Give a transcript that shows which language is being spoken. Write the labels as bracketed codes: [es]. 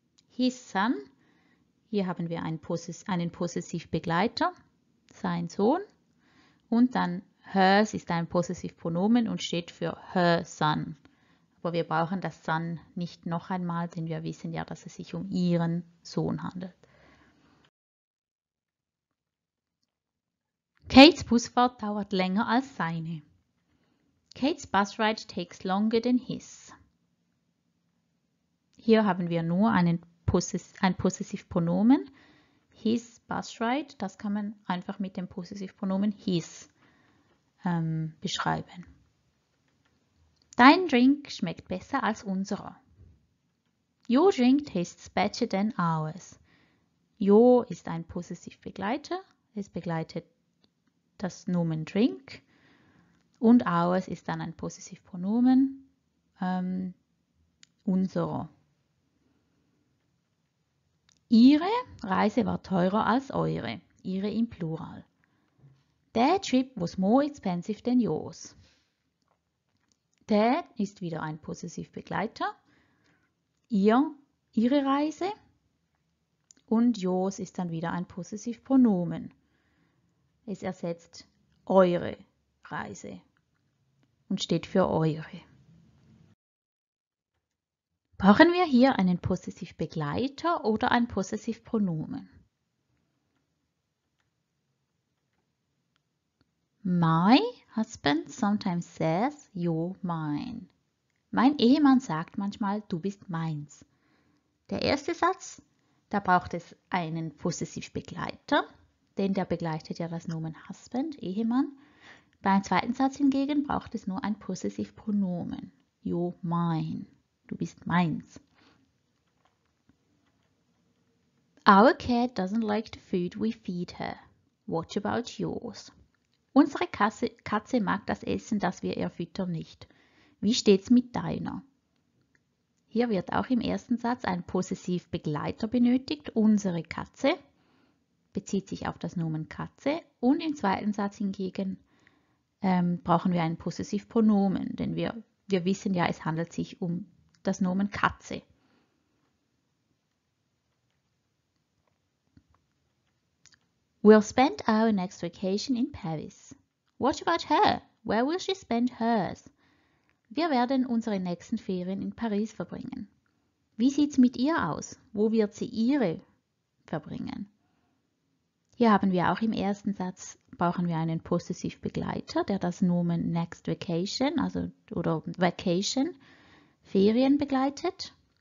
[en] His son, [de] hier haben wir einen Possessivbegleiter, sein Sohn. Und dann hers ist ein Possessivpronomen und steht für [en] her son. [de] Aber wir brauchen das son nicht noch einmal, denn wir wissen ja, dass es sich um ihren Sohn handelt. Kates Busfahrt dauert länger als seine. [en] Kates bus ride takes longer than his. [de] Hier haben wir nur ein Possessivpronomen. [en] His bus ride, [de] das kann man einfach mit dem Possessivpronomen his beschreiben. Dein Drink schmeckt besser als unserer. [en] Your drink tastes better than ours. [de] Your ist ein Possessivbegleiter. Es begleitet das Nomen drink. Und ours ist dann ein Possessivpronomen unserer. Ihre Reise war teurer als eure. Ihre im Plural. [en] Their trip was more expensive than yours. [de] Their ist wieder ein Possessivbegleiter. Ihre Reise. Und yours ist dann wieder ein Possessivpronomen. Es ersetzt eure Reise und steht für eure. Brauchen wir hier einen Possessivbegleiter oder ein Possessivpronomen? [en] My husband sometimes says you're mine. [de] Mein Ehemann sagt manchmal, du bist meins. Der erste Satz, da braucht es einen Possessivbegleiter, denn der begleitet ja das Nomen husband, Ehemann. Beim zweiten Satz hingegen braucht es nur ein Possessivpronomen, [en] you're mine. [de] Du bist meins. [en] Our cat doesn't like the food we feed her. What about yours? [de] Unsere Katze mag das Essen, das wir ihr füttern, nicht. Wie steht's mit deiner? Hier wird auch im ersten Satz ein Possessivbegleiter benötigt. Unsere Katze bezieht sich auf das Nomen Katze. Und im zweiten Satz hingegen brauchen wir ein Possessivpronomen, denn wir wissen ja, es handelt sich um das Nomen Katze. [en] We'll spend our next vacation in Paris. What about her? Where will she spend hers? [de] Wir werden unsere nächsten Ferien in Paris verbringen. Wie sieht's mit ihr aus? Wo wird sie ihre verbringen? Hier haben wir auch im ersten Satz, brauchen wir einen Possessivbegleiter, der das Nomen next vacation, also oder vacation, Ferien begleitet.